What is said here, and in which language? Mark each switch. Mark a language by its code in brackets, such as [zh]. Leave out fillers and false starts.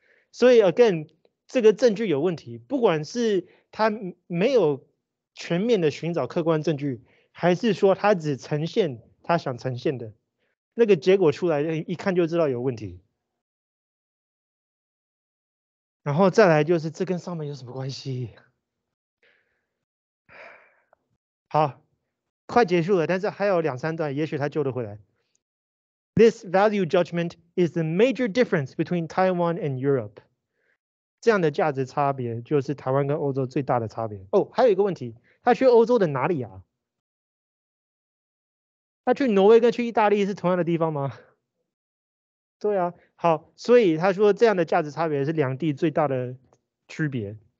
[zh] 所以 again 这个证据有问题，不管是他没有全面的寻找客观证据，还是说他只呈现他想呈现的那个结果出来，一看就知道有问题。然后再来就是这跟上面有什么关系？好，快结束了，但是还有两三段，也许他救得回来。 [en] This value judgment is the major difference between Taiwan and Europe. [zh] 这样的价值差别就是台湾跟欧洲最大的差别。哦，还有一个问题，他去欧洲的哪里啊？他去挪威跟去意大利是同样的地方吗？对啊，好，所以他说这样的价值差别是两地最大的区别。